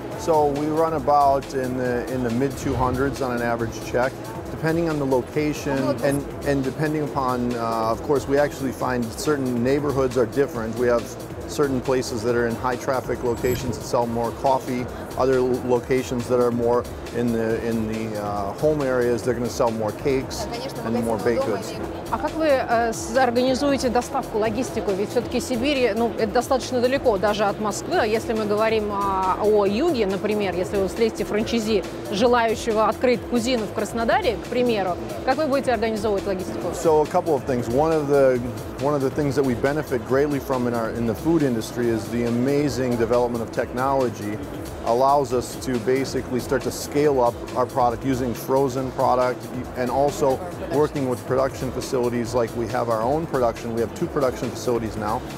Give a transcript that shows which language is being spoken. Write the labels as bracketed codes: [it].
[en] So we run about in the mid 200s on an average check, depending on the location and depending upon, of course, we actually find certain neighborhoods are different. We have certain places that are in high traffic locations that sell more coffee, other locations that are more in the home areas, they're going to sell more cakes and more baked goods. [ru] А как вы организуете доставку, логистику? Ведь все-таки Сибирь, ну, это достаточно далеко даже от Москвы. Если мы говорим о юге, например, если вы встретите франчайзи, желающего открыть кузину в Краснодаре, к примеру, как вы будете организовывать логистику? [en] So a couple of things. One of the things that we benefit greatly from in the food industry is the amazing development of technology allows us to basically start to scale up our product using frozen product and also working with production facilities like we have our own production. We have two production facilities now.